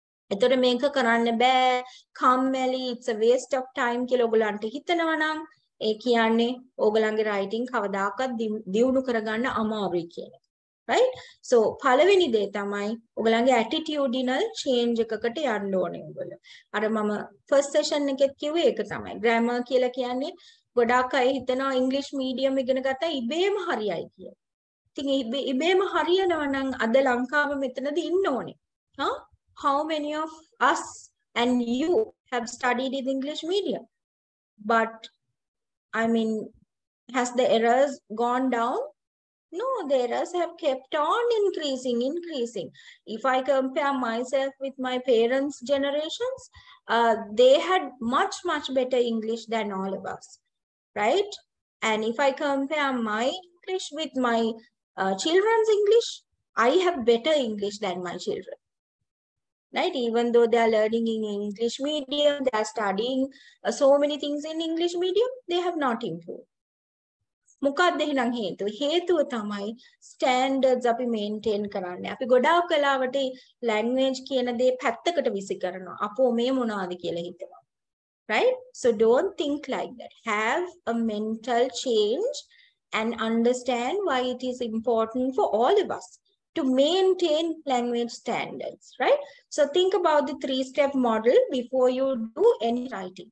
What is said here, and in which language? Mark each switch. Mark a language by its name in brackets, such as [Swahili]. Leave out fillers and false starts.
[Sinhala] එතකොට මේක කරන්න බෑ කම්මැලි [English] it's a waste of time [Sinhala] කියලා ඔයගලන්ට හිතනවා නම් ඒ කියන්නේ ඔයගලන්ගේ writing කවදාකවත් දියුණු කරගන්න අමාරුයි කියන්නේ right so පළවෙනි දේ තමයි ඔයගලන්ගේ attitudinal change එකකට යන්න ඕනේ ඔයගොල්ලෝ අර මම first session එකෙත් කිව්වේ ඒක තමයි grammar කියලා කියන්නේ ගොඩක් අය හිතනවා english medium ඉගෙන ගත්තා ඉබේම හරියයි කියලා ඉතින් ඉබේම හරියනවා නම් අද ලංකාව මෙතනදි ඉන්න ඕනේ හා [English] How many of us and you have studied in English medium? But I mean, has the errors gone down? No, the errors have kept on increasing, increasing. If I compare myself with my parents' generations, they had much, much better English than all of us, right? And if I compare my English with my children's English, I have better English than my children. Right, even though they are learning in English medium, they are studying so many things in English medium, they have not improved. [Sinhala] මොකක්ද එහෙනම් හේතුව? හේතුව තමයි standards අපි maintain කරන්නේ. අපි ගොඩාක් කලාවට language කියන දේ පැත්තකට විසි කරනවා. අපෝ මේ මොනවද කියලා හිතනවා. Right? [English] So don't think like that. Have a mental change and understand why it is important for all of us. To maintain language standards, right? So think about the 3-step model before you do any writing.